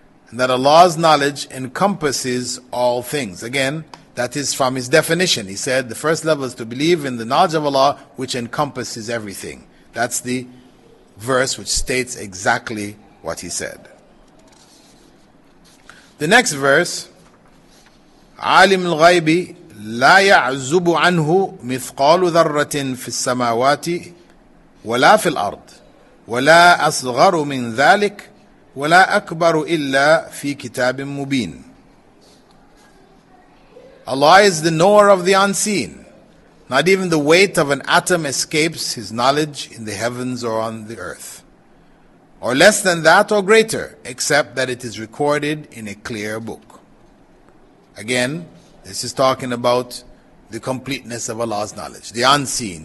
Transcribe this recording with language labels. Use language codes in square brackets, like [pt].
[en] And that Allah's knowledge encompasses all things. Again, that is from his definition. He said the first level is to believe in the knowledge of Allah, which encompasses everything. That's the verse which states exactly what he said. The next verse, [ar] عالم الغيب لا يعزب عنه مثقال ذرة في السماوات ولا في الأرض ولا أصغر من ذلك وَلَا أَكْبَرُ إِلَّا فِي كِتَابٍ مُبِينٍ. [en] Allah is the knower of the unseen. Not even the weight of an atom escapes his knowledge in the heavens or on the earth, or less than that or greater, except that it is recorded in a clear book. Again, this is talking about the completeness of Allah's knowledge, the unseen.